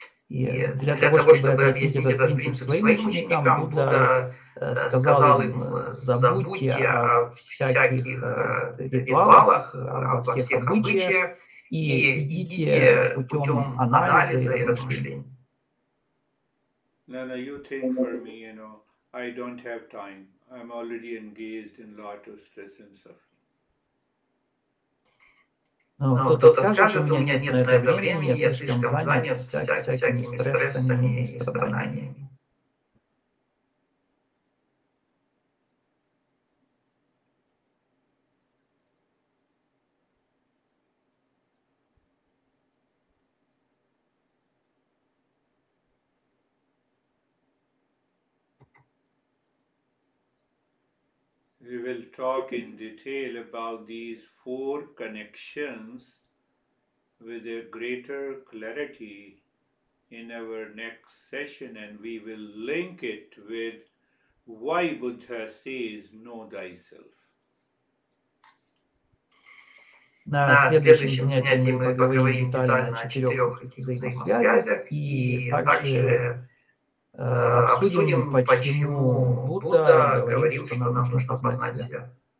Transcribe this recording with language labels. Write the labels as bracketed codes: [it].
[ru] И для того, чтобы объяснить этот принцип своим ученикам, Будда сказал им, забудьте о всяких ритуалах, обо всех обычаях, и идите путем анализа и размышлений. [en] Nana, you think for me, you know, I don't have time. I'm already engaged in a lot of stress and suffering. [ru] Но кто-то скажет, у меня нет на это времени, я слишком занят всякими стрессами и страданиями. [en] We will talk in detail about these four connections with a greater clarity in our next session, and we will link it with why Buddha says, know thyself. [ru] На следующем занятии мы поговорим детально о четырех взаимосвязях, и также обсудим, почему Будда говорит, что нам нужно познать себя.